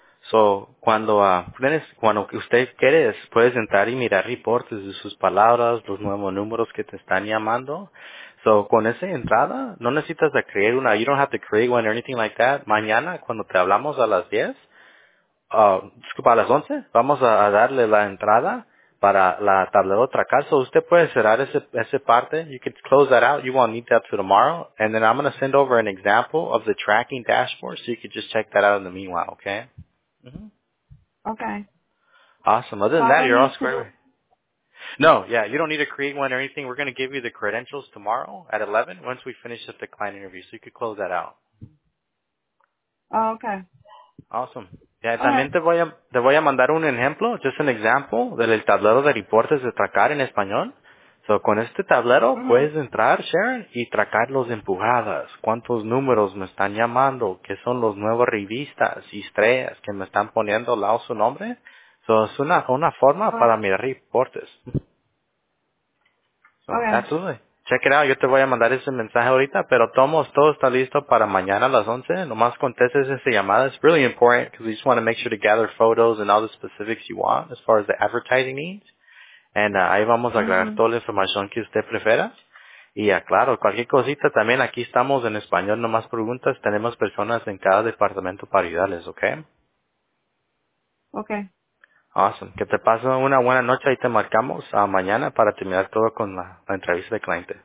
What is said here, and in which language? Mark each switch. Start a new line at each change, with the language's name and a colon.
Spanish: So, cuando usted quiere, puedes entrar y mirar reportes de sus palabras, los nuevos números que te están llamando.
English: So,
Spanish: con esa entrada, no necesitas de crear una,
English: you don't have to create one or anything like that.
Spanish: Mañana, cuando te hablamos a las 10, a las 11, vamos a darle la entrada para la tablero de tracar. So, usted puede cerrar ese parte.
English: You can close that out. You won't need that till tomorrow. And then I'm going to send over an example of the tracking dashboard, so you can just check that out in the meanwhile, okay? Mm-hmm. Okay. Awesome. Other than that, you're all square. No, yeah, you don't need to create one or anything. We're going to give you the credentials tomorrow at 11 once we finish up the client interview, so you could close that out. Oh, okay. Awesome. Yeah, okay.
Spanish: También te voy a mandar un ejemplo,
English: just an example
Spanish: del tablero de reportes de tracar en español. So, con este tablero puedes entrar, Sharon, y tracar los empujadas, cuántos números me están llamando, qué son los nuevos revistas y estrellas que me están poniendo al lado su nombre. So, es una forma para mirar reportes. So, okay.
English: Absolutely. Check it out.
Spanish: Yo te voy a mandar ese mensaje ahorita, pero todo está listo para mañana a las 11. Nomás contestes esa llamada.
English: It's really important because we just want to make sure to gather photos and all the specifics you want as far as the advertising needs.
Spanish: And ahí vamos a agregar toda la información que usted prefiera. Y claro, cualquier cosita también, aquí estamos en español, no más preguntas. Tenemos personas en cada departamento para ayudarles, ¿ok? Ok.
English: Awesome.
Spanish: Que te pase una buena noche y te marcamos a mañana para terminar todo con la entrevista de cliente.